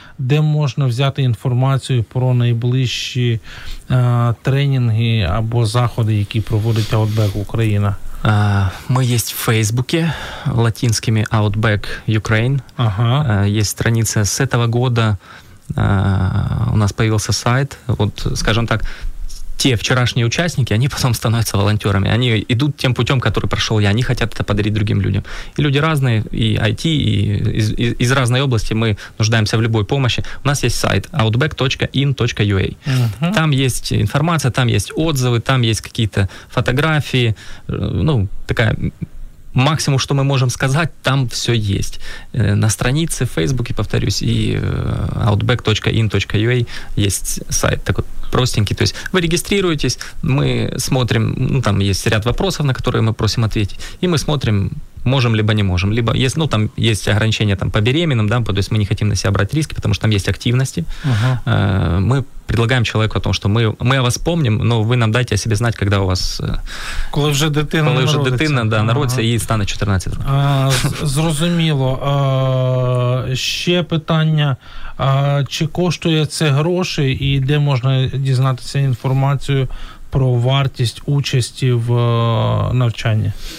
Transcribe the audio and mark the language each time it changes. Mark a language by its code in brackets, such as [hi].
[uk] Де можна взяти інформацію про найближчі тренінги або заходи, які проводить Outback Україна? [ru] Мы есть в Фейсбуке латинскими Outback Ukraine. Ага. Есть страница с этого года. У нас появился сайт. Вот, скажем так, те вчерашние участники, они потом становятся волонтерами. Они идут тем путем, который прошел я. Они хотят это подарить другим людям. И люди разные, и IT, и из разной области. Мы нуждаемся в любой помощи. У нас есть сайт outback.in.ua. Uh-huh. Там есть информация, там есть отзывы, там есть какие-то фотографии. Ну, такая максимум, что мы можем сказать, там все есть. На странице в Фейсбуке, повторюсь, и outback.in.ua есть сайт такой простенький. То есть вы регистрируетесь, мы смотрим, ну, там есть ряд вопросов, на которые мы просим ответить, и мы смотрим, можем либо не можем. Либо есть, ну, там есть ограничения там, по беременным, да, то есть мы не хотим на себя брать риски, потому что там есть активности. Uh-huh. Мы предлагаем человеку о том, что мы о вас помним, но вы нам дайте о себе знать, когда у вас... [uk] Коли вже дитина народиться. Коли вже дитина, да, народиться, ага, і стане 14 років. Зрозуміло. Ще питання. Чи коштує це гроші і де можна дізнатися інформацію про вартість участі в навчанні?